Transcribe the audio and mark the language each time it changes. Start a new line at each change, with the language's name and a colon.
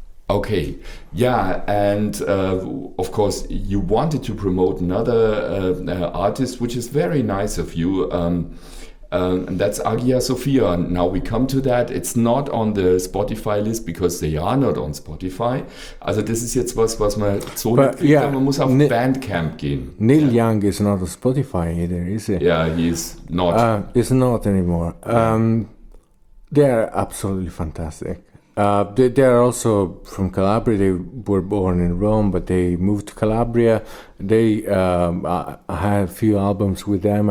English: Okay, yeah, and of course, you wanted to promote another artist, which is very nice of you. And that's Agia Sophia. Now we come to that. It's not on the Spotify list because they are not on Spotify.
German: Also das ist jetzt was man so nicht kriegt. Yeah, man muss auf Bandcamp gehen.
English: Neil Young is not on Spotify either, is he? Yeah, he's not. He's not anymore. They are absolutely fantastic. They are also from Calabria. They were born in Rome, but they moved to Calabria. They I had a few albums with them.